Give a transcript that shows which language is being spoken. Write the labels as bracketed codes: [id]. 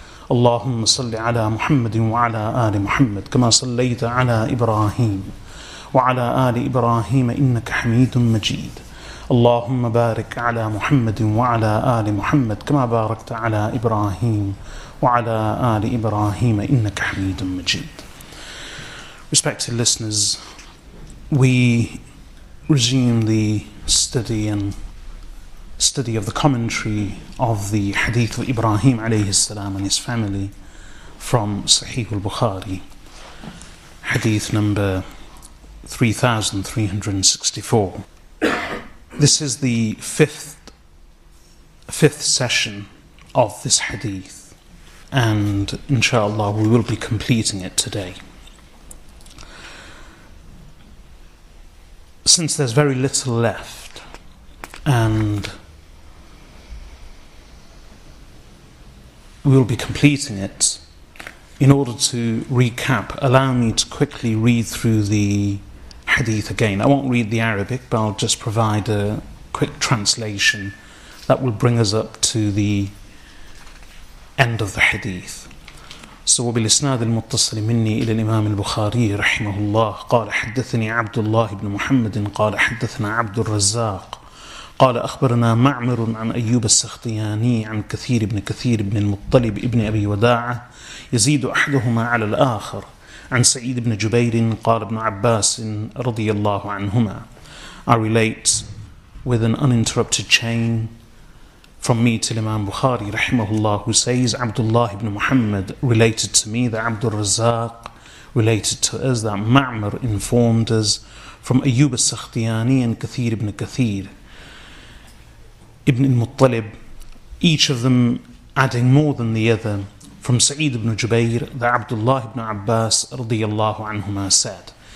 [ar] اللهم صل على محمد وعلى آل محمد كما صليت على إبراهيم وعلى آل إبراهيم إنك حميد مجيد. اللهم بارك على محمد وعلى آل محمد كما باركت على إبراهيم وعلى آل إبراهيم إنك حميد مجيد. [en] Respected listeners, we resume the study and study of the commentary of the hadith of Ibrahim عليه السلام and his family from Sahih al-Bukhari, hadith number 3364. This is the fifth session of this hadith, and inshallah we will be completing it today. Since there's very little left, and we will be completing it, in order to recap, allow me to quickly read through the hadith again. I won't read the Arabic, but I'll just provide a quick translation that will bring us up to the end of the hadith. [ar] So, وبالإسناد المتصل مني إلى الإمام البخاري رحمه الله قال حدثني عبد الله بن محمد قال حدثنا عبد الرزاق قال أخبرنا معمر عن أيوب السختياني عن كثير بن كثير بن المطلب ابن أبي وداعة يزيد أحدهما على الآخر عن سعيد بن جبير قال ابن عباس رضي الله عنهما. [en] I relate with an uninterrupted chain from me to Imam Bukhari رحمه الله, who says Abdullah ibn Muhammad related to me that Abdul Razzaq related to us that Ma'mar informed us from Ayyub al-Sakhtiyani and Kathir ibn Kathir ibn al-Muttalib, each of them adding more than the other, from Sa'id ibn Jubayr, that Abdullah ibn Abbas radiyallahu anhuma said.